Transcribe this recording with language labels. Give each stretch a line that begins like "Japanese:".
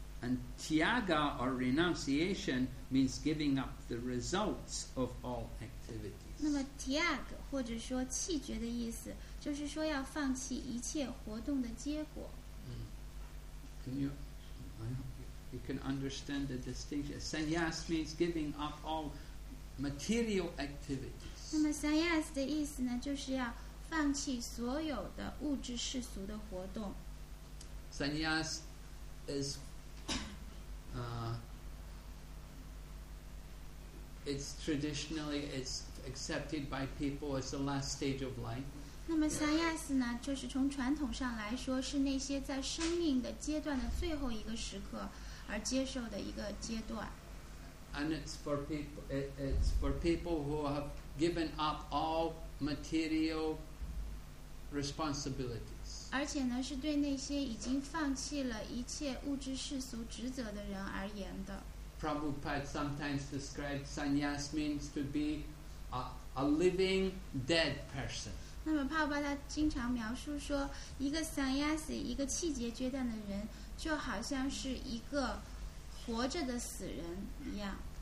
English: And tyaga or renunciation means giving up the results of all activities.
Chinese: 那么 tyag 或者说弃绝的意思，就是说要放弃一切活动的结果。
English: You can understand the distinction. Sannyas means giving up all material activities.
Chinese: 那么 sannyas 的意思呢，就是要放弃所有的物质世俗的活动。
English: Sannyas is. It's traditionally it's accepted by people as the last stage of life.
Chinese: 那么 sannyas 呢，就是从传统上来说，是那些在生命的阶段的最后一个时刻而接受的一个阶段。
English: And it's for people who have given up all material responsibilities.
Chinese: 而且呢，是对那些已经放弃了一切物质世俗职责的人而言的。
English: Prabhupada sometimes described sannyas means to be a living dead person.
Chinese: 那么帕巴他经常描述说，一个 sannyas 一个弃绝阶段的人，就好像是一个活着的死人一样。